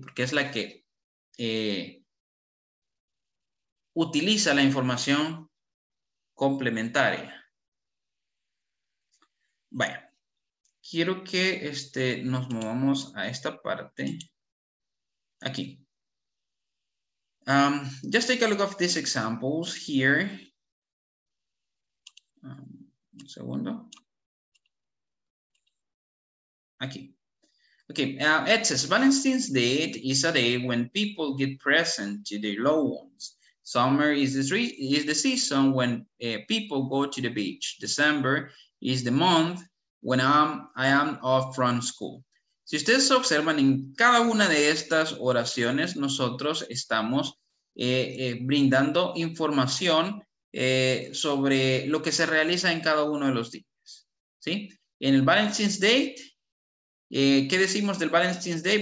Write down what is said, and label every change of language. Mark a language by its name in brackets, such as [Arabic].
[Spanish] Porque es la que utiliza la información complementaria. Bueno, quiero que nos movamos a esta parte, aquí. [English] Just take a look at these examples here. [Spanish] Un segundo. Aquí. [English] Okay. It says Valentine's date is a day when people give presents to their loved ones. Summer is the season when people go to the beach. December is the month when I am off from school. [Spanish] Si ustedes observan en cada una de estas oraciones, nosotros estamos brindando información sobre lo que se realiza en cada uno de los días, ¿sí? En el Valentine's Day, ¿qué decimos del Valentine's Day?